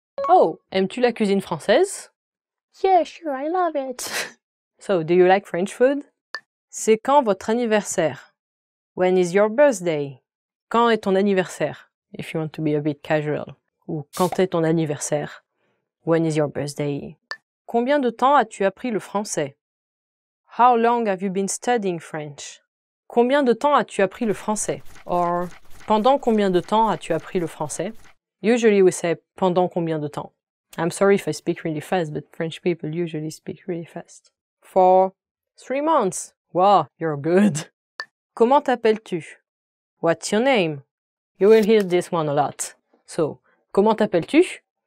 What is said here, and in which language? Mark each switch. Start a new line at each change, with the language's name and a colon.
French: Oh, aimes-tu la cuisine française?
English: Yeah, sure, I love it. So, do you like French food?
French: C'est quand votre anniversaire?
English: When is your birthday?
French: Quand est ton anniversaire?
English: If you want to be a bit casual.
French: Ou quand est ton anniversaire?
English: When is your birthday?
French: Combien de temps as-tu appris le français?
English: How long have you been studying French?
French: Combien de temps as-tu appris le français? Or, pendant combien de temps as-tu appris le français?
English: Usually we say,
French: pendant combien de temps?
English: I'm sorry if I speak really fast, but French people usually speak really fast. For 3 months. Wow, you're good.
French: Comment t'appelles-tu?
English: What's your name? You will hear this one a lot. So,
French: comment t'appelles-tu?